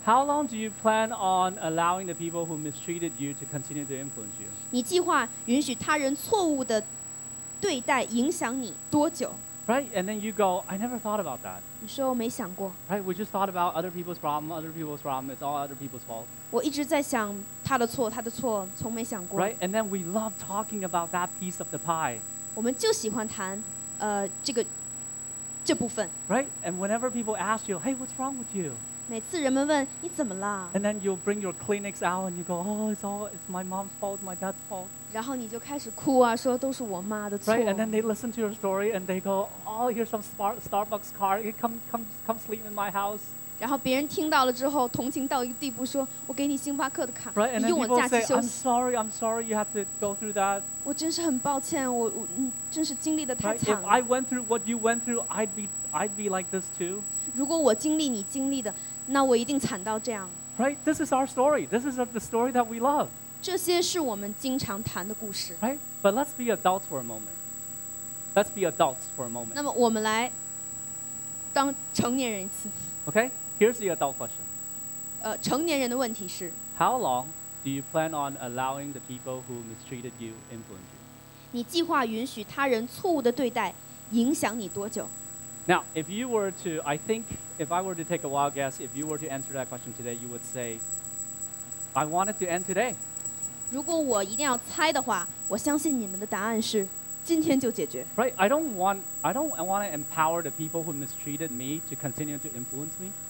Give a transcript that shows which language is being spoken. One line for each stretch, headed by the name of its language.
English: How long do you plan on allowing the people who mistreated you to continue to influence you?
Chinese: 你计划允许他人错误的对待影响你多久？
English: Right, and then you go, I never thought about that.
Chinese: 你说我没想过。
English: Right, we just thought about other people's problem, it's all other people's fault.
Chinese: 我一直在想他的错，从没想过。
English: Right, and then we love talking about that piece of the pie.
Chinese: 我们就喜欢谈这部分。
English: Right? And whenever people ask you, hey, what's wrong with you?
Chinese: 每次人们问你怎么了?
English: And then you bring your Kleenex out and you go, oh, it's my mom's fault, my dad's fault.
Chinese: 然后你就开始哭啊，说都是我妈的错。
English: Right? And then they listen to your story and they go, oh, here's some Starbucks card. Come sleep in my house.
Chinese: 然后别人听到了之后，同情到一个地步，说：“我给你星巴克的卡，
English: right,
Chinese: 你用我假期休息。”
English: I'm sorry, you have to go through that.
Chinese: 我真是很抱歉，我真是经历的太惨了。
English: Right, if I went through what you went through, I'd be like this too.
Chinese: 如果我经历你经历的，那我一定惨到这样。
English: Right, this is our story. This is the story that we love.
Chinese: 这些是我们经常谈的故事。
English: Right, but let's be adults for a moment. Let's be adults for a moment.
Chinese: 那么我们来当成年人一次。
English: Okay, here's the adult question.
Chinese: 成年人的问题是
English: How long do you plan on allowing the people who mistreated you influence you?
Chinese: 你计划允许他人错误的对待影响你多久?
English: Now, if I were to take a wild guess, if you were to answer that question today, you would say, I want it to end today.
Chinese: 如果我一定要猜的话，我相信你们的答案是
English: Right. I don't want to empower the people who mistreated me to continue to influence me.